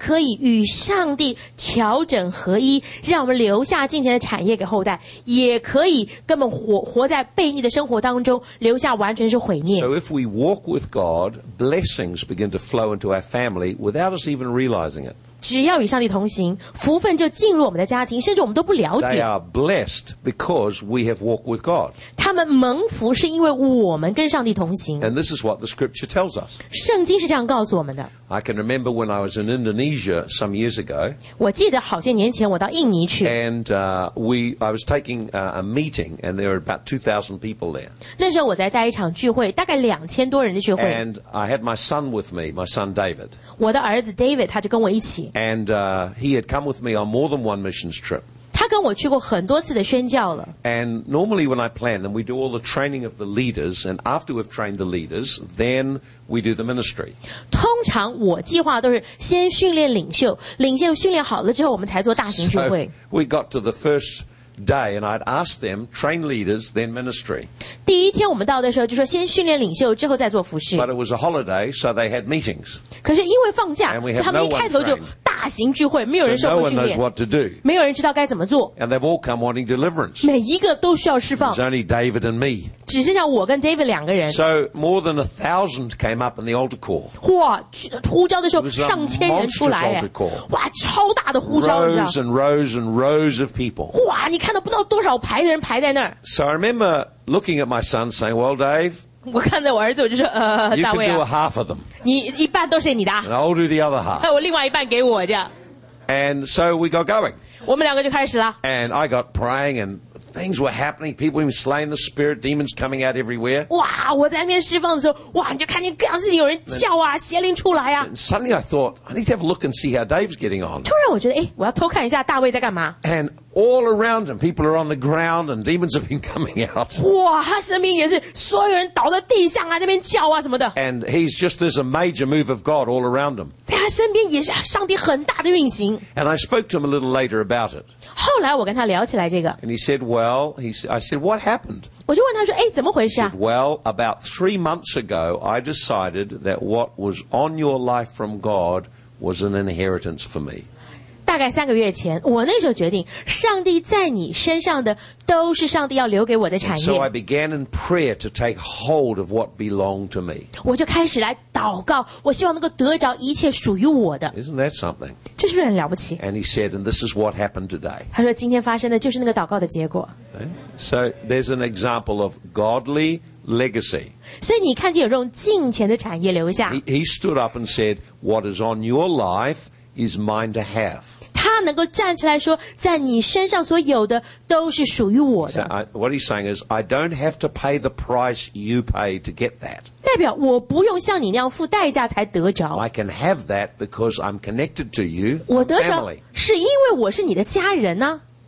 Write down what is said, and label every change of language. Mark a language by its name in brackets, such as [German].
[Chinese] 我们可以与上帝调整合一, 让我们留下敬虔的产业给后代, 也可以根本活在悖逆的生活当中, 留下完全是毁灭。 [English] So if we walk with God, blessings begin to flow into our family without us even realizing it. [Chinese] 只要与上帝同行, 福分就进入我们的家庭, 甚至我们都不了解。 [English] They are blessed because we have walked with God. [Chinese] 他们蒙福是因为我们跟上帝同行。 [English] And this is what the scripture tells us. [Chinese] 圣经是这样告诉我们的。 [English] I can remember when I was in Indonesia some years ago. [Chinese] 我记得好些年前我到印尼去。 [English] And I was taking a meeting, and there were about 2,000 people there. [Chinese] 那时候我在带一场聚会, 大概2,000多人的聚会。 [English] And I had my son with me, my son David. [Chinese] 我的儿子David, 他就跟我一起。 [English] And he had come with me on more than one missions trip. [Chinese] 他跟我去过很多次的宣教了。 [English] And normally when I plan them, we do all the training of the leaders, and after we've trained the leaders, then we do the ministry. [Chinese] 通常我计划都是先训练领袖, 领袖训练好了之后我们才做大型聚会。 [English] So we got to the first day, and I'd asked them, train leaders, then ministry. [Chinese] 第一天我们到的时候就说先训练领袖之后再做服事。 [English] But it was a holiday, so they had meetings. [Chinese] 可是因为放假, [English] and we have no one trained. [Chinese] 大型聚会, [English] so no one knows what to do. [Chinese] 没有人知道该怎么做, [English] and they've all come wanting deliverance. [Chinese] 每一个都需要释放, [English] it's only David and me. [Chinese] 只剩下我跟David两个人。 [English] So more than 1,000 came up in the altar call. [Chinese] 哇, 呼召的时候, 上千人出来, [English] it was a monstrous altar call. [Chinese] 哇, 超大的呼召, [English] rows and rows and rows of people. [Chinese] 哇, 你看到不知道多少排的人排在那儿。 [English] So I remember looking at my son saying, well, Dave, [Chinese] 我看着我儿子我就说, [English] you [Chinese] 大卫啊, [English] can do a half of them. [Chinese] 你一半都是你的, [English] and I'll do the other half. [Chinese] 我另外一半给我, [English] and so we got going. [Chinese] 我们两个就开始了。 [English] And I got praying, and things were happening. People were slaying the spirit, demons coming out everywhere. [Chinese] 哇, 我在那边释放的时候, 哇, 你就看见各样事情有人叫啊, [English] and, [Chinese] 邪灵出来啊。 [English] And suddenly I thought, I need to have a look and see how Dave's getting on. [Chinese] 突然我觉得, 诶, 我要偷看一下大卫在干嘛。 [English] And all around him, people are on the ground and demons have been coming out. [Chinese] 哇,他身边也是,所有人倒在地上啊, 那边叫啊什么的。 [English] And he's just, there's a major move of God all around him. [Chinese] 他身边也是上帝很大的运行。 [English] And I spoke to him a little later about it. [Chinese] 后来我跟他聊起来这个。 [English] And he said, well, I said, what happened? [Chinese] 我就问他说, 诶, 怎么回事啊? [English] He said, well, about 3 months ago, I decided that what was on your life from God was an inheritance for me. [Chinese] 大概3个月前, 我那时候决定, 上帝在你身上的都是上帝要留给我的产业。 [English] So I began in prayer to take hold of what belonged to me. [Chinese] 我就开始来祷告, 我希望能够得着一切属于我的。 [English] Isn't that something? [Chinese] 这是不是很了不起? [English] And he said, and this is what happened today. [Chinese] 他说今天发生的就是那个祷告的结果。 [English] So there's an example of godly legacy. [Chinese] 所以你看见有这种敬虔的产业留下。 [English] He stood up and said, what is on your life is mine to have. [Chinese] 他能够站起来说, 在你身上所有的都是属于我的。 [English] What he's saying is, I don't have to pay the price you pay to get that. [Chinese] 代表我不用像你那样付代价才得着。 [English] I can have that because I'm connected to you. [Chinese] 我得着是因为我是你的家人啊。